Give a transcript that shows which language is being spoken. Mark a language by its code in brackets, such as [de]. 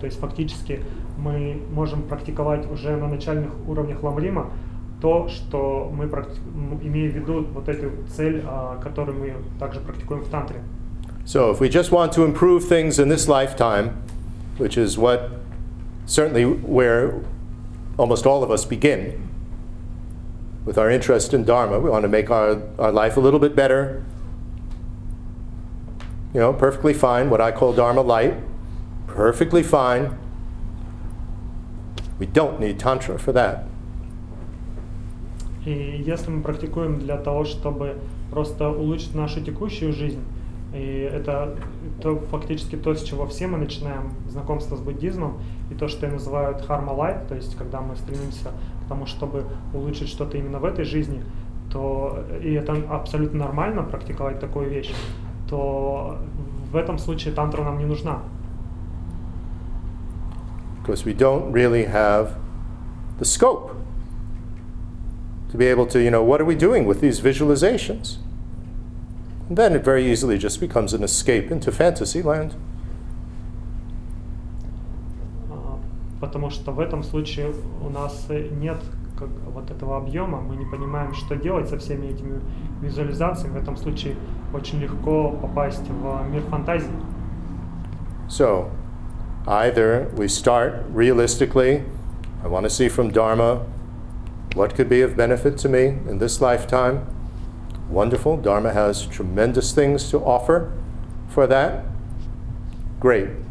[ru] То есть фактически мы можем практиковать уже на начальных уровнях Ламрима то, что мы имеем в виду вот эту цель, которую мы также практикуем в Тантре. [en] So if we just want to improve things in this lifetime, which is what certainly where almost all of us begin with our interest in Dharma, we want to make our life a little bit better, you know, perfectly fine, what I call Dharma light, perfectly fine. We don't need Tantra for that. [ru] И если мы практикуем для того, чтобы просто улучшить нашу текущую жизнь, и это то, фактически то, с чего все мы начинаем знакомство с буддизмом, и то, что называют Dharma light, то есть когда мы стремимся к тому, чтобы улучшить что-то именно в этой жизни, то и это абсолютно нормально практиковать такую вещь, то в этом случае тантра нам не нужна. [en] Because we don't really have the scope to be able to, you know, what are we doing with these visualizations? And then it very easily just becomes an escape into fantasy land. [ru] Потому что в этом случае у нас нет как вот этого объема, мы не понимаем, что делать со всеми этими визуализациями. В этом случае очень легко попасть в мир фантазии. [en] So, either we start realistically, I want to see from Dharma what could be of benefit to me in this lifetime. Wonderful, Dharma has tremendous things to offer for that. Great.